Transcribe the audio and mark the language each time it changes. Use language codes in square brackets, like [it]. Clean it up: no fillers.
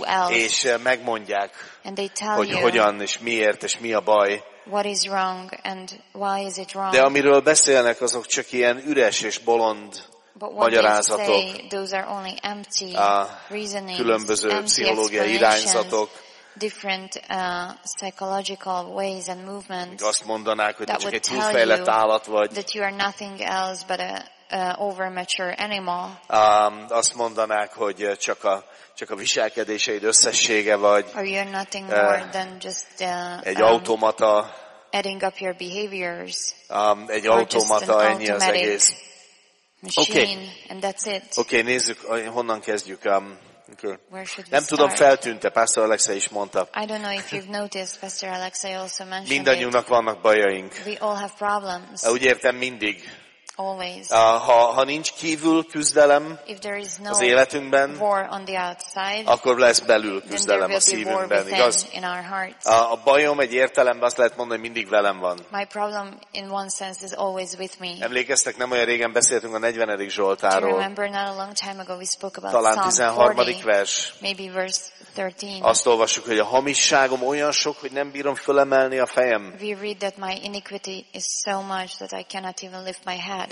[hu] És megmondják, hogy hogyan és miért és mi a baj. [en] What is wrong and why is it wrong? [hu] De amiről beszélnek, azok csak ilyen üres és bolond magyarázatok. [en] But what they say, those are only empty reasonings, [hu] különböző pszichológiai irányzatok. [en] Different psychological ways and movements. [hu] Azt mondanák, hogy csak egy túlfejlett állat vagy. [en] That you are nothing else but a over-mature animal. [hu] Azt mondanák, hogy csak a viselkedéseid összessége vagy. [en] Or you're nothing more than just [hu] egy automata. [en] Adding up your behaviors. [hu] Egy automata, ennyi az egész. [en] Okay. And that's it. [hu] Okay, nézzük, honnan kezdjük. [en] Where should we [hu] nem tudom, feltűnte, Pastor Alexei is mondta. [en] I don't know if you've noticed, Pastor Alexei also mentioned. [hu] Mindannyiunknak vannak bajaink. [en] We all have problems. [hu] Úgy értem, mindig. [en] Always. [hu] Ha nincs kívül küzdelem az életünkben, akkor lesz belül küzdelem a szívünkben, igaz? A bajom egy értelemben azt lehet mondani, hogy mindig velem van. [en] My problem in one sense is always with me. [hu] Emlékeztek, nem olyan régen beszéltünk a 40. Zsoltárról. [en] Remember, not a long time ago we spoke about [hu] talán 13. vers. [en] Maybe verse 13. [hu] Azt olvassuk, hogy a hamisságom olyan sok, hogy nem bírom fölemelni a fejem. [en] We read that my iniquity is so much that I cannot even lift my head.